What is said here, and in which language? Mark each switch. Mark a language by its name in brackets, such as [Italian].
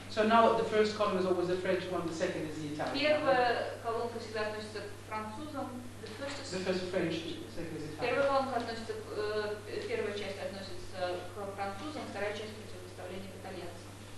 [English] So now the first column is always the French one, the second is the Italian. [Russian] Первая колонка всегда относится к французам, [English] the first is French, the second is Italian. [Russian] Первая часть относится к французам, вторая часть противопоставление к итальянцам.